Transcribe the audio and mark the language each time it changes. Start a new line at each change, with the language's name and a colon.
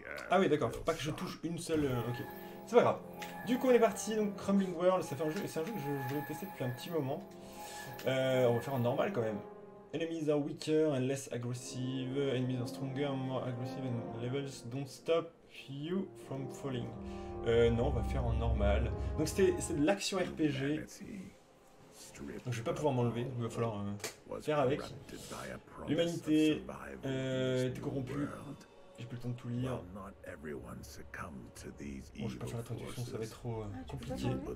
French: Ah oui d'accord, faut pas que je touche une seule... Ok, c'est pas grave. Du coup on est parti, donc Crumbling World, ça fait un jeu, c'est un jeu que je voulais tester depuis un petit moment. On va faire en normal quand même.
English: Enemies are weaker and less aggressive, enemies are stronger and more aggressive and levels don't stop you from falling.
French: Non, on va faire en normal. Donc c'est de l'action RPG. Donc je vais pas pouvoir m'enlever, il va falloir faire avec. L'humanité est corrompue. J'ai plus le temps de tout lire. Bon, je vais pas faire la traduction, ça va être trop compliqué.